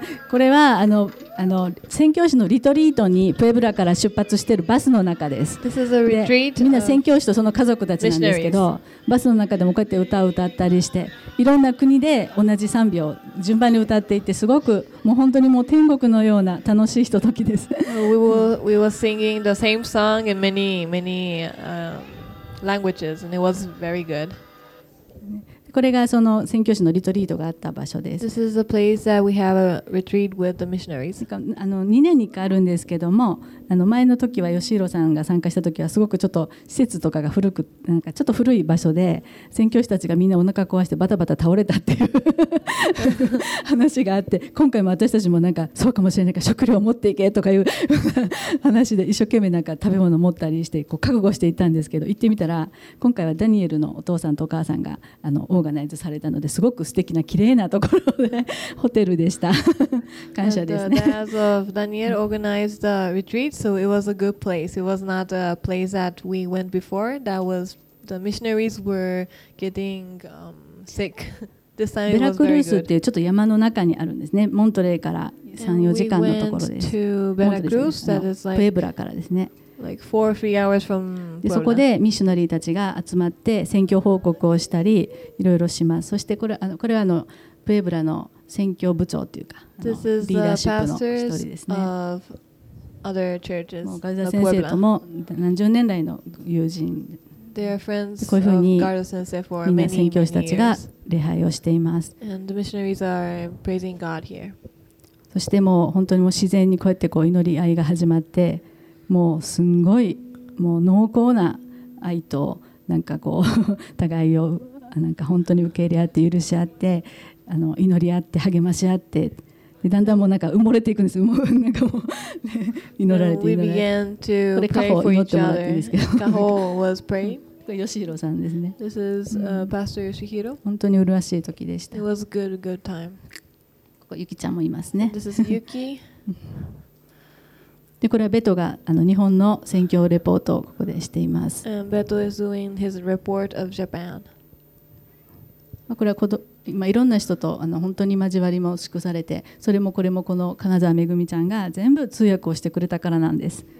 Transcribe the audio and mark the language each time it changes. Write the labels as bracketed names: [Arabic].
[Japanese] これはあの宣教師のリトリートにプエブラから出発しているバスの中です。でみんな宣教師とその家族たちなんですけど、バスの中でもこうやって歌を歌ったりして、いろんな国で同じ賛美を順番に歌っていて、すごくもう本当にもう天国のような楽しいひとときです。 [English] We were singing the same song in many, many, languages and it was very good. [Japanese] これがその宣教師のリトリートがあった場所です。 [English] This is a place that we have a retreat with the missionaries. [Japanese] あの2年に1回あるんですけども、前の時は吉弘さんが参加した時はすごくちょっと施設とかが古く、なんかちょっと古い場所で宣教師たちがみんなお腹壊してバタバタ倒れたっていう話があって、今回も私たちもなんかそうかもしれないから食料持っていけとかいう話で一生懸命なんか食べ物持ったりしてこう覚悟していたんですけど、行ってみたら今回はダニエルのお父さんとお母さんがオーガナイズされたので、すごく素敵な綺麗なところでホテルでした。感謝ですね。 [English] Dads of Daniel organized the retreat, so it was a good place. It was not a place that we went before. That was the missionaries were getting sick. This time it was very good. [Japanese] ベラクルースっていうちょっと山の中にあるんですね。モントレーから 3、4 時間のところです。 [English] And we went to Veracruz, that is like [Japanese] プエブラからですね。 [English] Like 4-3 hours from [Japanese] で、そこでミッショナリーたちが集まって宣教報告をしたりいろいろします。そしてこれ、これはプエブラの宣教部長というかリーダーシップの一人ですね。 [English] of other churches, [Japanese] ガルダ先生とも何十年来の友人、 [English] They are friends of Garza Sensei for many, many years. [Japanese] みんな宣教師たちが礼拝をしています。 [English] And the missionaries are praising God here. [Japanese] そしてもう本当にもう自然にこうやってこう祈り合いが始まって、もうすんごいもう濃厚な愛と、なんかこう互いをなんか本当に受け入れ合って許し合って祈り合って励まし合って、でだんだんもうなんか埋もれていくんです。もうなんかもう、ね、祈られて祈られて、これカホを祈ってもらっていいんですけど、 [English] カホ was praying。 [Japanese] これ吉弘さんですね。 [English] This is Pastor Yoshihiro。 [Japanese] 本当に麗しい時でした。 [English] It was good, good time。 [Japanese] ここユキちゃんもいますね。 [English] This is Yuki。 [Japanese] でこれはベトが日本の宣教レポートをここでしています。 [English] And Beto is doing his report of Japan。 [Japanese] これは今いろんな人と本当に交わりも祝されて、それもこれもこの金沢めぐみちゃんが全部通訳をしてくれたからなんです。